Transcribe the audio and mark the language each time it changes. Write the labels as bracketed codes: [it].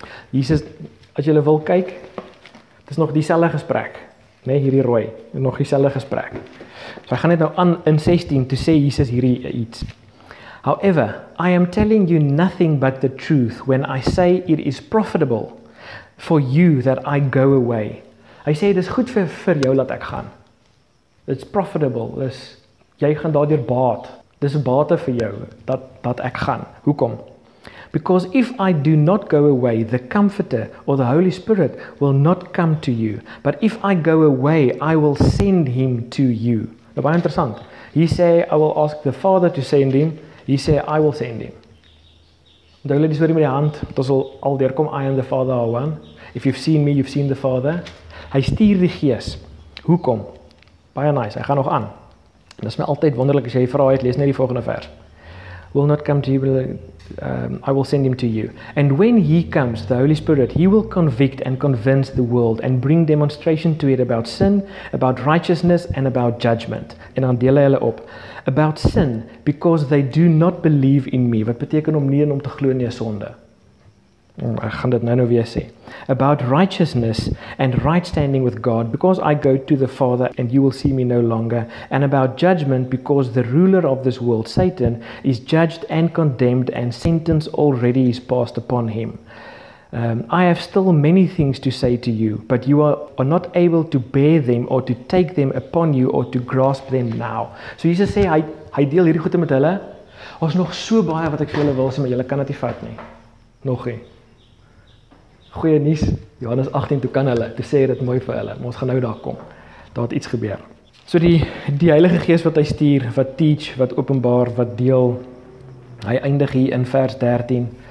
[af] Jesus, as jy wil kyk, het is nog dieselfde gesprek, nee, hierdie rooi, nog dieselfde gesprek. So hy gaan net nou aan in 16, to sê Jesus hierdie iets. [en] However, I am telling you nothing but the truth when I say it is profitable for you that I go away. [af] Hy sê, dit is goed vir jou dat ek gaan. [en] It's profitable, [af] dis, jy gaan daardoor baat. Dis bate vir jou, dat ek gaan. Hoekom? [en] Because if I do not go away, the Comforter or the Holy Spirit will not come to you. But if I go away, I will send him to you. [af] Nou, baie interessant. [en] He say, I will ask the Father to send him. He say, I will send him. [af] Nou, hulle die story met die hand, wat ons al deurkom, [en] I am the Father, all one. If you've seen me, you've seen the Father. [af] Hy stuur die Gees. Hoekom? Baie nice, hy gaan nog aan. Dit is my altyd wonderlik as jy vra het, lees net die volgende vers. [en] Will not come to you, but I will send him to you. And when he comes, the Holy Spirit, he will convict and convince the world and bring demonstration to it about sin, about righteousness, and about judgment. [af] En dan deel hy hulle op. [en] About sin, because they do not believe in me. [af] Wat beteken om nie en om te glo nie is sonde. Ek gaan dit nou weer sê. [en] About righteousness and right standing with God, because I go to the Father and you will see me no longer. And about judgment, because the ruler of this world, Satan, is judged and condemned and sentence already is passed upon him. I have still many things to say to you, but you are not able to bear them or to take them upon you or to grasp them now. [af] So Jesus sê, hy deel hierdie goede met hulle. Ons nog so baie wat ek vir julle wil sê, maar julle kan dit nie vat nie. Nog nie. Goeie nuus, Johannes 18, toe kan hulle, toe sê dit mooi vir hulle, maar ons gaan nou daar kom, daar het iets gebeur. So die Heilige Gees wat hy stuur, wat teach, wat openbaar, wat deel, hy eindig hier in vers 13.